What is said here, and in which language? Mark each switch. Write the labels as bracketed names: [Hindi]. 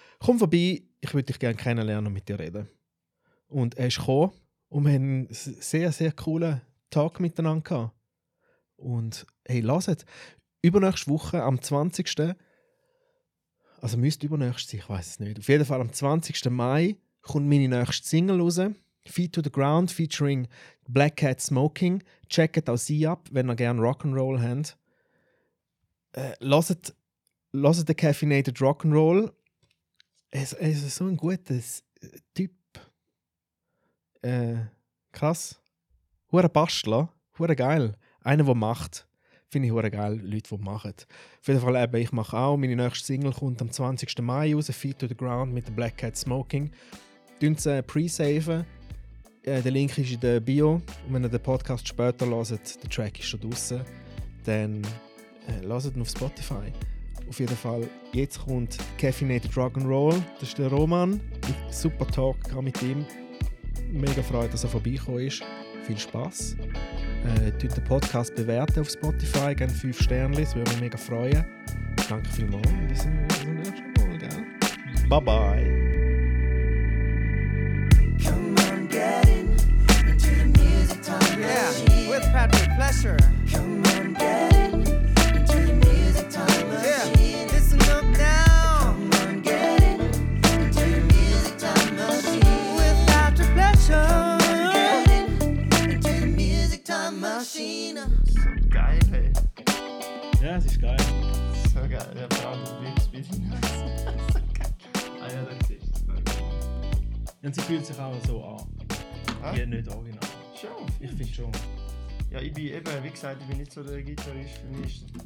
[German] Komm vorbei, ich würde dich gerne kennenlernen und mit dir reden. Und er ist gekommen. Und wir hatten einen sehr, sehr coolen Tag miteinander. Und hey, hört, übernächste Woche am 20. Also müsste übernächste sein, ich weiß es nicht. Auf jeden Fall am 20. Mai kommt meine nächste Single raus. Feet to the Ground featuring Black Cat Smoking. Checkt auch sie ab, wenn ihr gerne Rock'n'Roll habt. Hört den Caffeinated Rock'n'Roll. Er ist so ein guter Typ. Krass. Hure Bastler. Hure geil. Einer, der macht. Finde ich hure geil, Leute, die machen. Auf jeden Fall, eben, ich mache auch. Meine nächste Single kommt am 20. Mai raus. Feet to the Ground mit Black Cat Smoking. Tun sie pre-saven. Der Link ist in der Bio. Und wenn ihr den Podcast später hört, der Track ist schon draußen, dann hört ihn auf Spotify. Auf jeden Fall, jetzt kommt Caffeinated Rock'n'Roll. Das ist der Roman. Super Talk kann mit ihm. Mega Freude, dass er vorbeikommen ist. Viel Spass. Den Podcast bewerten auf Spotify, gerne 5 Sterne, das würde mich mega freuen. Danke vielmals in diesem nächsten Mal, gell? [English] Bye bye! Come on, get in into the music time machine. Yeah, with Patrick Pleasure. Come on, get in into the music time machine. Yeah. [German] So geil, ey. Ja, es ist geil. So geil, ja, vor allem wie das Bild. Ah ja, das ist es. Und sie fühlt sich auch so an. Wie nicht original. Schon. Ich finde schon. Ja, ich bin eben, wie gesagt, ich bin nicht so der Gitarrist für mich.